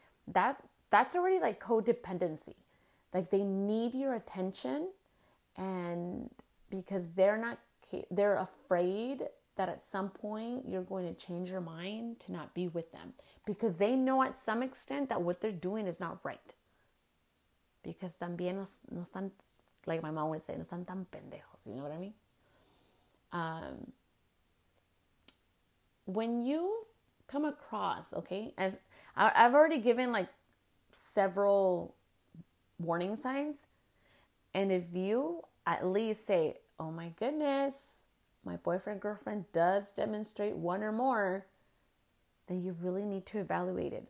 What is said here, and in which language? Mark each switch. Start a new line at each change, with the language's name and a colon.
English: That's already like codependency. Like they need your attention. And because they're afraid that at some point you're going to change your mind to not be with them. Because they know at some extent that what they're doing is not right. Because
Spanish: también no están,
English: like my mom would say,
Spanish: no están tan pendejos.
English: You know what I mean? When you come across, okay, as I've already given like several warning signs. And if you at least say, oh my goodness, my boyfriend, girlfriend does demonstrate one or more, then you really need to evaluate it.